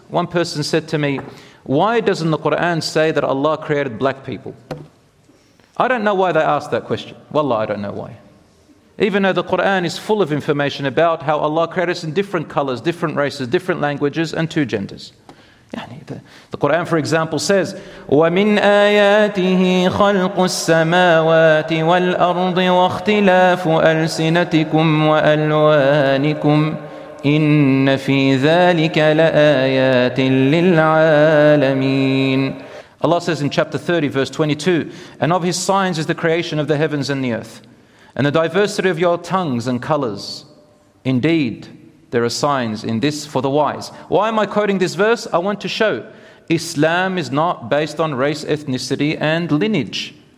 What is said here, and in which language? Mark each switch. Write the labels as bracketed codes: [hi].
[en] One person said to me, why doesn't the Quran say that Allah created black people? I don't know why they asked that question. Wallah, I don't know why. Even though the Quran is full of information about how Allah created us in different colors, different races, different languages, and two genders. The Quran, for example, says, [ar] وَمِنْ آيَاتِهِ خَلْقُ السَّمَاوَاتِ وَالْأَرْضِ وَاخْتِلَافُ أَلْسِنَتِكُمْ وَأَلْوَانِكُمْ إِنَّ فِي ذَٰلِكَ لَآيَاتٍ لِلْعَالَمِينَ. [en] Allah says in chapter 30, verse 22, and of His signs is the creation of the heavens and the earth, and the diversity of your tongues and colors. Indeed, there are signs in this for the wise. Why am I quoting this verse? I want to show Islam is not based on race, ethnicity, and lineage.